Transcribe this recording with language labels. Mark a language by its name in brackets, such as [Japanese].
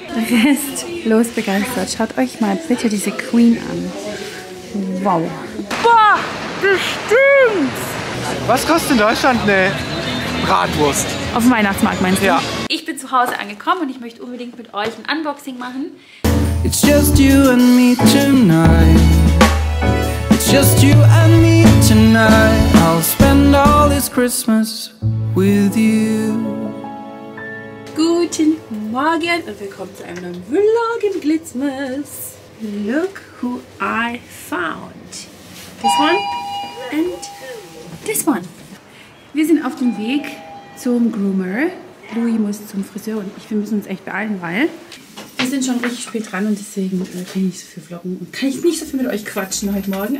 [German] Restlos begeistert. Schaut euch mal bitte diese Queen an. Wow. Boah, das stimmt. Was kostet in Deutschland eine Bratwurst? Auf dem Weihnachtsmarkt meinst du? Ja. Ich bin zu Hause angekommen und ich möchte unbedingt mit euch ein Unboxing machen. [English] It's just you and me tonight. It's just you and me tonight. I'll spend all this Christmas with you. [German] Guten Morgen und willkommen zu einem neuen Vlog im Glitzmas. [English] Look who I found. This one and this one. [German] Wir sind auf dem Weg zum Groomer. Louis muss zum Friseur und wir müssen uns echt beeilen, weil wir sind schon richtig spät dran und deswegen kann ich nicht so viel vloggen und kann ich nicht so viel mit euch quatschen heute Morgen.